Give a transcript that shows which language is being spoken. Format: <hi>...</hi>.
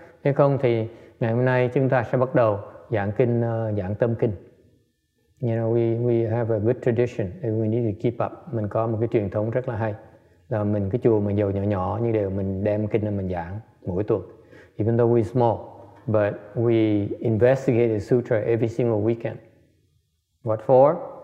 <vi>Nếu không thì ngày hôm nay chúng ta sẽ bắt đầu giảng kinh, giảng tâm kinh.</vi> <en>You know, we have a good tradition and we need to keep up.</en> <vi>Mình có một cái truyền thống rất là hay. Là mình cái chùa mình dầu nhỏ nhỏ như đều mình đem kinh lên mình giảng mỗi tuần.</vi> <en>Even though we're small. But we investigate the sutra every single weekend. What for?</en>